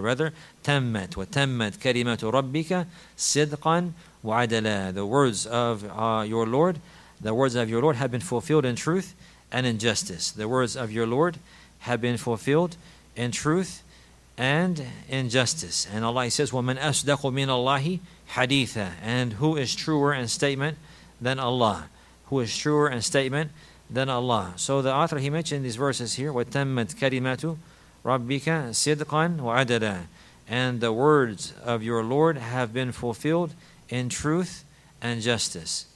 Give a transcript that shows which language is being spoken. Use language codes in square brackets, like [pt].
[ar] Rather, tammat wa tammat kalimatu rabbika sidqan wa adala. [en] The words of your Lord have been fulfilled in truth and in justice. The words of your Lord have been fulfilled in truth and in justice. And Allah says, [ar] وَمَنْ أَصْدَقُ مِنَ اللَّهِ حَدِيثًا. [en] And who is truer in statement than Allah? Who is truer in statement than Allah? So the author, he mentioned these verses here, [ar] وَتَمَّتْ كَلِمَةُ رَبِّكَ صِدْقًا وَعَدَلًا. [en] And the words of your Lord have been fulfilled in truth and justice.